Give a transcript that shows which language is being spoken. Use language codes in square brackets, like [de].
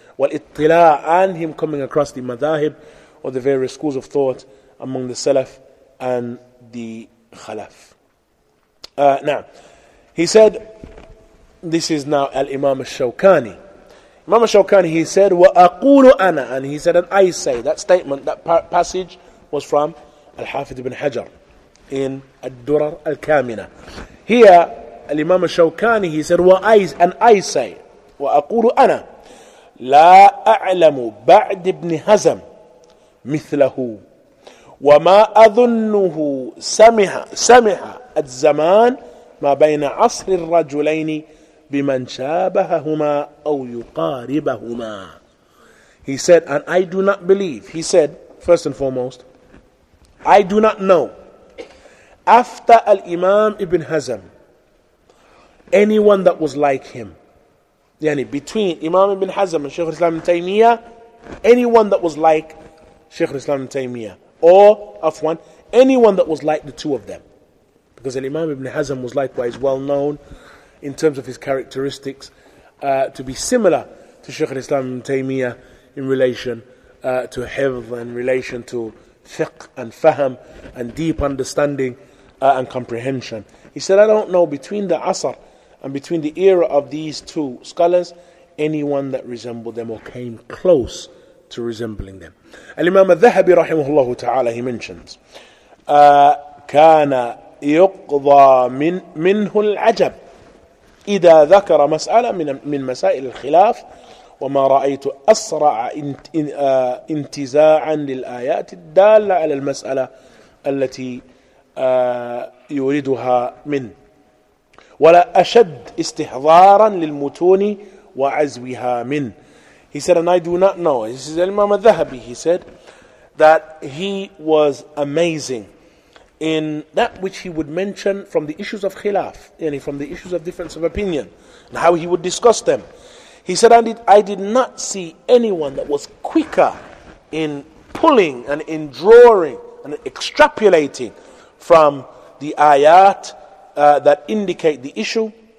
[en] Wal ittila, and him coming across the madahib or the various schools of thought among the salaf and the khalaf. Now, he said, this is now Al-Imam Al-Shawkani. Imam Al-Shawkani, he said, [ar] وَأَقُولُ أَنَا, [en] and he said, and I say, that statement, that passage was from Al-Hafidh ibn Hajar in Al-Durar Al-Kamina. Here, Al-Imam Al-Shawkani, he said, and I say, [ar] وَأَقُولُ أَنَا لَا أَعْلَمُ بَعْدِ ابْنِ هَزَمْ مِثْلَهُ وَمَا أَظُنُّهُ سَمِحَ الزَّمَانِ مَا بَيْنَ عَصْرِ الرَّجُلَيْنِ بِمَنْ شَابَهَهُمَا أَوْ يُقَارِبَهُمَا. [en] He said, and I do not believe, he said, first and foremost, I do not know, after Al-Imam Ibn Hazm, anyone that was like him, yani between Imam Ibn Hazm and Shaykh al-Islam ibn Taymiyyah, anyone that was like Shaykh al-Islam ibn Taymiyyah, or Afwan, anyone that was like the two of them. Because Al-Imam Ibn Hazm was likewise well known in terms of his characteristics to be similar to Shaykh al-Islam ibn Taymiyyah in relation to hifdh, in relation to fiqh and fahm and deep understanding and comprehension. He said, I don't know between the Asr and between the era of these two scholars, anyone that resembled them or came close to resembling them. Al-Imam al-Dhahabi rahimahullah ta'ala, he mentions, [ar] كَانَ يُقْضَى مِنْهُ الْعَجَبِ إِذَا ذَكَرَ مَسْأَلَةً مِنْ مَسَائِلِ الْخِلَافِ وَمَا رَأَيْتُ أَسْرَعَ انْتِزَاعًا لِلْآيَاتِ الدَّالَّ عَلَى الْمَسْأَلَةِ الَّتِي يُرِدُهَا مِنْ وَلَا أَشَدُّ اسْتِحْضَارًا لِلْمُتُونِ وَعَزْوِهَا مِنْ. [en] He said, and I do not know. This is Imam al-Dhahabi, he said, that he was amazing in that which he would mention from the issues of khilaf, yani from the issues of difference of opinion, and how he would discuss them. He said, I did not see anyone that was quicker in pulling and in drawing and extrapolating from the ayat that indicate the issue.